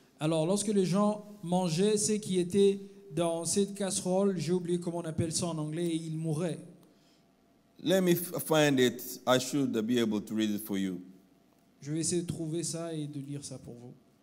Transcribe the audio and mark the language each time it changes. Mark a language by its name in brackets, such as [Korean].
[French] Alors, lorsque les gens mangeaient ce qui était dans cette casserole, j'ai oublié comment on appelle ça en anglais, et il mourait. [English] Let me find it. I should be able to read it for you. [French] Je vais essayer de trouver ça et de lire ça pour vous.